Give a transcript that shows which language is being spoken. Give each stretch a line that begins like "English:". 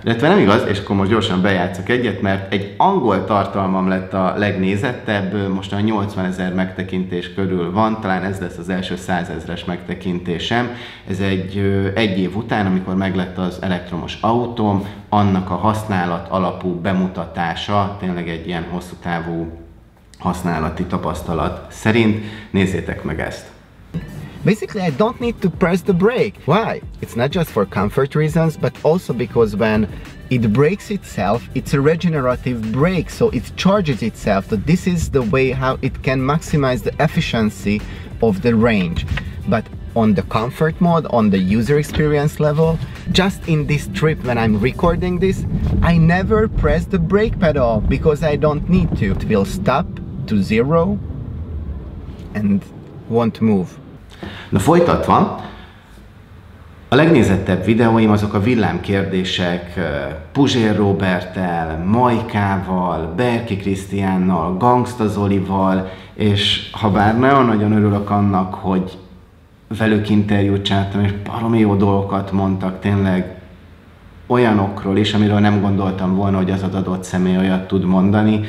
Hungarian: Illetve nem igaz, és akkor most gyorsan bejátszok egyet, mert egy angol tartalmam lett a legnézettebb, most a 80 ezer megtekintés körül van, talán ez lesz az első 100 ezres megtekintésem. Ez egy év után, amikor meglett az elektromos autóm, annak a használat alapú bemutatása, tényleg egy ilyen hosszú távú használati tapasztalat szerint. Nézzétek meg ezt!
English: Basically, I don't need to press the brake. Why? It's not just for comfort reasons, but also because when it brakes itself, it's a regenerative brake, so it charges itself. So this is the way how it can maximize the efficiency of the range. But on the comfort mode, on the user experience level, just in this trip when I'm recording this, I never press the brake pedal because I don't need to. It will stop to zero and won't move.
Hungarian: Na folytatva, a legnézettebb videóim azok a villámkérdések Puzsér Róberttel, Majkával, Berki Krisztiánnal, Gangsta Zolival, és habár nagyon örülök annak, hogy velük interjút csináltam, és baromi jó dolgokat mondtak tényleg olyanokról is, amiről nem gondoltam volna, hogy az adott személy olyat tud mondani.